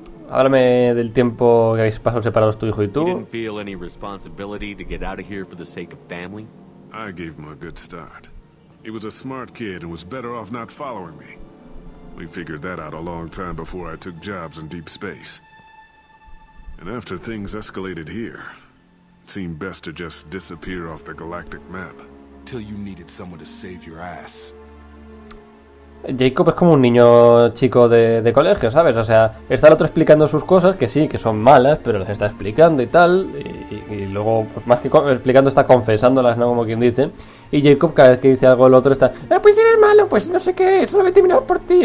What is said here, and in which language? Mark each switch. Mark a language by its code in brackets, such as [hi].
[es] Háblame del tiempo que habéis pasado separados tu hijo y tú. [en] You didn't feel any responsibility to get out of here for the sake of family? I gave him a good start. He was a smart kid and was better off not following me. We figured that out a long time before I took jobs in deep space. And after things escalated here, it seemed best to just disappear off the galactic map. Till you needed someone to save your ass. [es] Jacob es como un niño chico de colegio, ¿sabes? O sea, está el otro explicando sus cosas, que sí, que son malas, pero las está explicando y tal. Y luego, pues más que explicando, está confesándolas, ¿no? Como quien dice. Y Jacob, cada vez que dice algo, el otro está... pues eres malo, pues no sé qué, solamente miraba por ti.